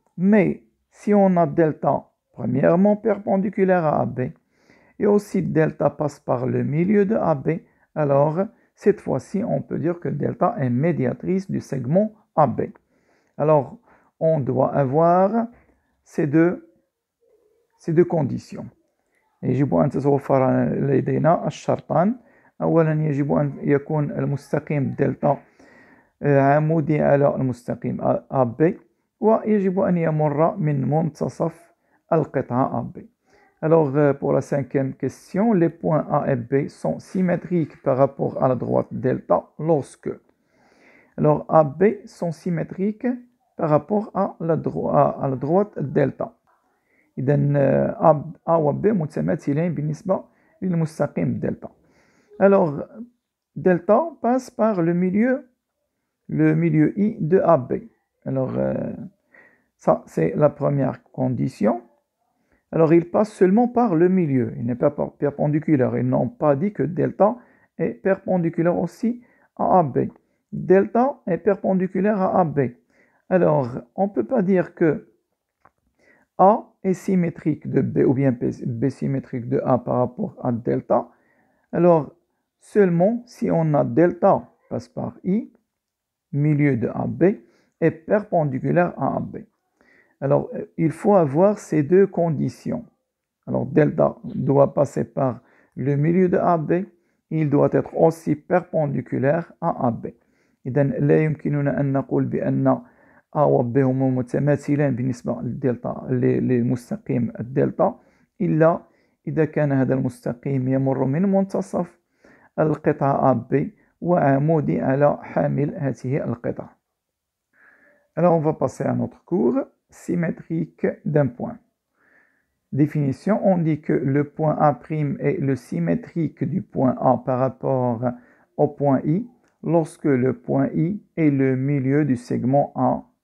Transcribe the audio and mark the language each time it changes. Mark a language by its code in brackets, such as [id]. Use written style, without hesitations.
[fr] Mais si on a delta premièrement perpendiculaire à AB, et aussi delta passe par le milieu de AB, alors cette fois-ci, on peut dire que delta est médiatrice du segment AB. Alors, on doit avoir ces deux conditions. [ar] يجب أن تتوفر لدينا الشرطان أولا يجب أن يكون المستقيم دلتا عمودي على المستقيم AB، ويجب أن يمر من منتصف القطعة AB. [fr] Alors pour la cinquième question, les points A et B sont symétriques par rapport à la droite delta lorsque. Alors AB sont symétriques par rapport à la droite delta. [ar] إذن A و B متماثلين بالنسبة للمستقيم delta. [fr] Alors delta passe par le milieu I de AB. Alors ça c'est la première condition. Alors, il passe seulement par le milieu, il n'est pas perpendiculaire. Ils n'ont pas dit que delta est perpendiculaire aussi à AB. Delta est perpendiculaire à AB. Alors, on ne peut pas dire que A est symétrique de B ou bien B symétrique de A par rapport à delta. Alors, seulement si on a delta passe par I, milieu de AB, est perpendiculaire à AB. Alors, il faut avoir ces deux conditions. Alors, delta doit passer par le milieu de AB. Il doit être aussi perpendiculaire à AB. [ar] إذن لا يمكننا أن نقول بأن A و B هما متماثلين بالنسبة للدلتا للمستقيم الدلتا إلا إذا كان هذا المستقيم يمر من منتصف القطعة AB وعمودي على حامل هذه القطعة. [fr] Alors, on va passer à notre cours. Symétrique d'un point. Définition, on dit que le point A' est le symétrique du point A par rapport au point I lorsque le point I est le milieu du segment A'.